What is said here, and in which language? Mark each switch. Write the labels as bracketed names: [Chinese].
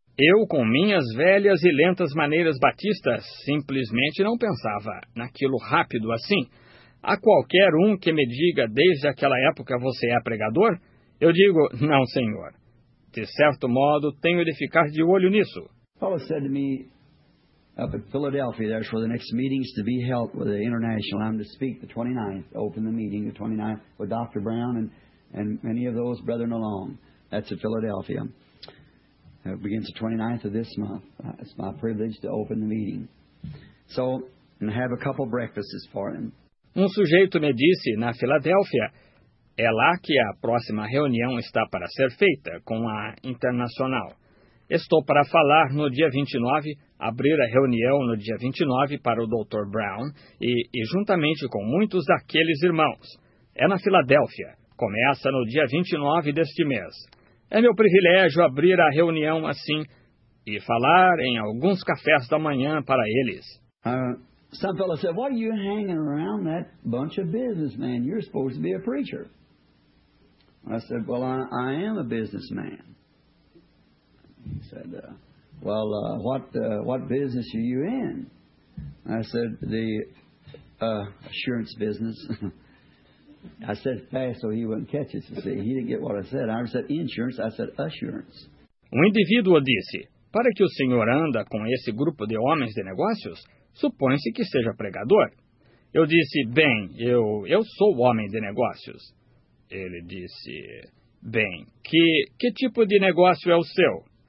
[Portuguese] Eu, com minhas velhas e lentas maneiras batistas, simplesmente não pensava naquilo rápido assim. A qualquer um que me diga, desde aquela época você é pregador, eu digo, não, senhor. De certo modo, tenho de ficar de olho nisso. Paulo disse a mim, [English] up at Philadelphia, there's for the next meetings to be held with the international. I'm to speak the 29th, open the meeting the 29th with Dr. Brown and many of those brethren along. That's at Philadelphia. It begins the 29th of this month. It's my privilege to open the meeting. So, and have a couple breakfasts for them. [Portuguese] Um sujeito me disse, na Filadélfia, é lá que a próxima reunião está para ser feita com a Internacional. Estou para falar no dia 29, abrir a reunião no dia 29 para o Dr. Brown e juntamente com muitos daqueles irmãos. É na Filadélfia. Começa no dia 29 deste mês. É meu privilégio abrir a reunião assim e falar em alguns cafés da manhã para eles. [English] Some fellow said, why are you hanging around that bunch of businessmen? You're supposed to be a preacher. I said, well, I am a businessman. He said, well, what business are you in? I said, the assurance business. I said fast so he wouldn't catch it. See, he didn't get what I said. I said insurance. I said assurance. [Portuguese] Um indivíduo disse, para que o senhor anda com esse grupo de homens de negócios, supõe-se que seja pregador. Eu disse, bem, eu sou homem de negócios. Ele disse, bem, que tipo de negócio é o seu?